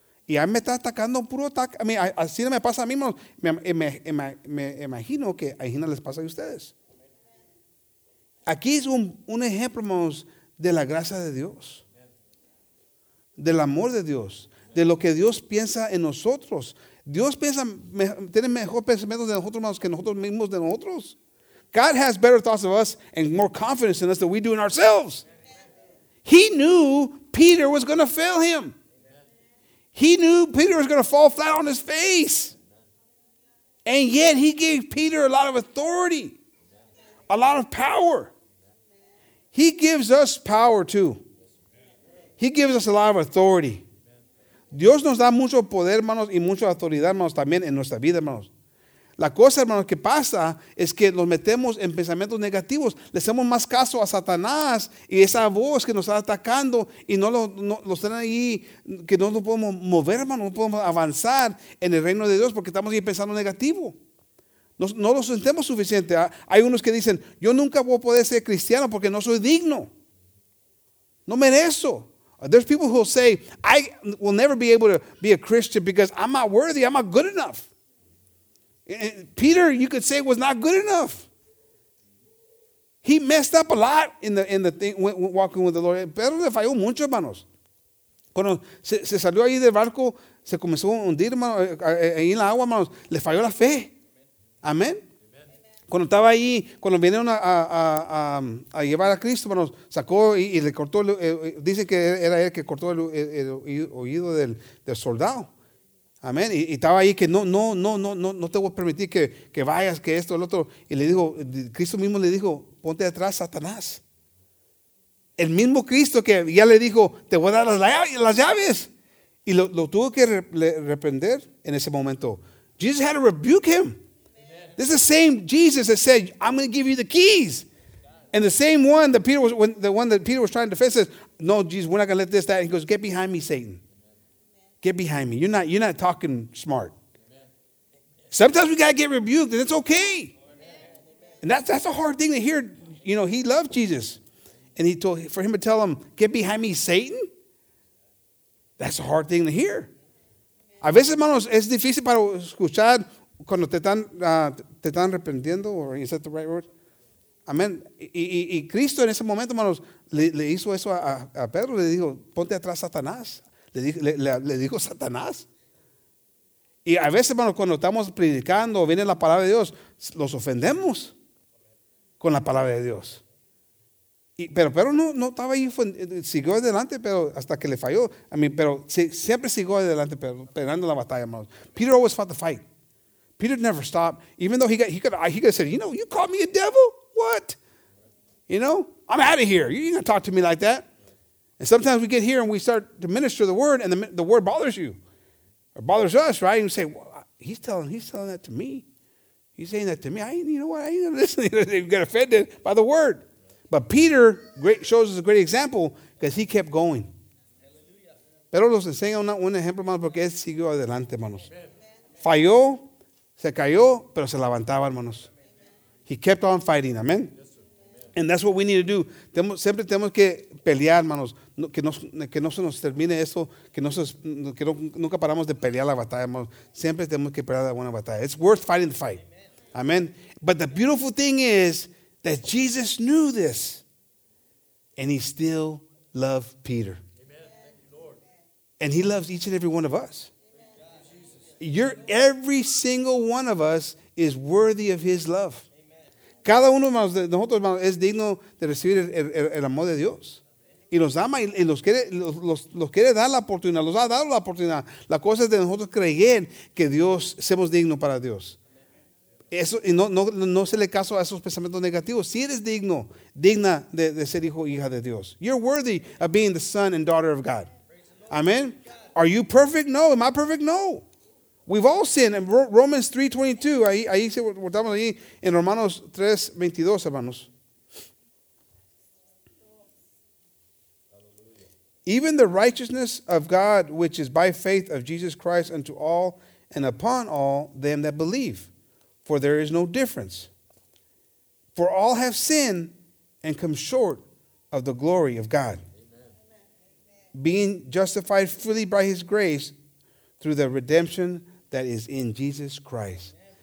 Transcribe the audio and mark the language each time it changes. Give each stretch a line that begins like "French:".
Spanish: Y a mí me está atacando un puro ataque.
English: I mean,
Spanish: así no me pasa a mí, hermanos. Me imagino que a Gina les pasa a ustedes. Aquí es un ejemplo, hermanos, de la gracia de Dios, del amor de Dios, de lo que Dios piensa en nosotros. Dios piensa, tiene mejor pensamiento de nosotros, hermanos, que nosotros mismos de nosotros.
English: God has better thoughts of us and more confidence in us than we do in ourselves. He knew Peter was going to fail him. He knew Peter was going to fall flat on his face. And yet he gave Peter a lot of authority, a lot of power. He gives us power too. He gives us a lot of authority.
Spanish: Dios nos da mucho poder, hermanos, y mucha autoridad, hermanos, también en nuestra vida, hermanos. La cosa, hermanos, que pasa es que nos metemos en pensamientos negativos. Le hacemos más caso a Satanás y esa voz que nos está atacando y no lo están ahí, que no nos podemos mover, hermanos, no podemos avanzar en el reino de Dios porque estamos ahí pensando negativo. No lo sentemos suficiente. Hay unos que dicen, yo nunca voy a poder ser cristiano porque no soy digno. No merezco.
English: There's people who say, I will never be able to be a Christian because I'm not worthy, I'm not good enough. Peter, you could say, was not good enough. He messed up a lot in the thing walking with the Lord.
Spanish: Pedro le falló mucho, hermanos. Cuando se salió ahí del barco, se comenzó a hundir, hermanos, ahí en la agua, hermanos, le falló la fe. Amén. Cuando estaba ahí, cuando vinieron a llevar a Cristo, hermanos, sacó y le cortó, dicen que era él que cortó el oído del soldado. Amén. Y estaba ahí que no te voy a permitir que vayas, que esto, el otro. Y le dijo, Cristo mismo le dijo, ponte atrás, Satanás. El mismo Cristo que ya le dijo, te voy a dar las llaves. Y lo tuvo que reprender en ese momento.
English: Jesus had to rebuke him. This is the same Jesus that said, I'm going to give you the keys. And the same one that Peter was, when the one that Peter was trying to defend says, no, Jesus, we're not going to let this, that. He goes, get behind me, Satan. Get behind me. You're not talking smart. Amen. Sometimes we got to get rebuked, and it's okay. Amen. And that's a hard thing to hear. You know, he loved Jesus. And he told, for him to tell him, get behind me, Satan, that's a hard thing to hear.
Spanish: A veces, hermanos, es difícil para escuchar cuando te están arrepentiendo,
English: or is that the right word?
Spanish: Amen. Y Cristo en ese momento, hermanos, le hizo eso a Pedro. Le dijo, ponte atrás, Satanás. Le dijo Satanás. Y a veces, hermano, cuando estamos predicando, viene la palabra de Dios, los ofendemos con la palabra de Dios. Pero no estaba ahí, siguió adelante, pero hasta que le falló.
English: I mean,
Spanish: pero siempre siguió adelante, pero peleando la batalla, hermano.
English: Peter always fought the fight. Peter never stopped. Even though he could have said, you know, you called me a devil? What? You know, I'm out of here. You ain't gonna talk to me like that. And sometimes we get here and we start to minister the word, and the word bothers you, or bothers us, right? And you say, well, he's telling that to me. He's saying that to me. I ain't gonna listen. You get offended by the word. But Peter shows us a great example because he kept going.
Spanish: Pero los enseña un buen ejemplo, hermanos, porque él siguió adelante, hermanos. Falló, se cayó, pero se levantaba, hermanos.
English: He kept on fighting.
Spanish: Amen.
English: And that's what we need to do.
Spanish: Siempre tenemos que pelear, hermanos. Que no se nos termine eso. Que nunca paramos de pelear la batalla, hermanos. Siempre tenemos que pelear la buena batalla.
English: It's worth fighting the fight.
Spanish: Amen.
English: But the beautiful thing is that Jesus knew this. And he still loved Peter. And he loves each and every one of us. Every single one of us is worthy of his love.
Spanish: Cada uno de nosotros, hermanos, es digno de recibir el amor de Dios. Y los ama y los quiere dar la oportunidad. Los ha dado la oportunidad. La cosa es de nosotros creer que Dios, seamos dignos para Dios. Eso, y no se le caso a esos pensamientos negativos. Si eres digno, digna de ser hijo o hija de Dios.
English: You're worthy of being the son and daughter of God. Amen. Are you perfect? No. Am I perfect? No. We've all sinned. In Romans 3:22,
Spanish: ahí se guardamos ahí en Romanos 3:22, hermanos.
English: Even the righteousness of God, which is by faith of Jesus Christ unto all and upon all them that believe, for there is no difference. For all have sinned and come short of the glory of God, being justified freely by his grace through the redemption that is in Jesus Christ.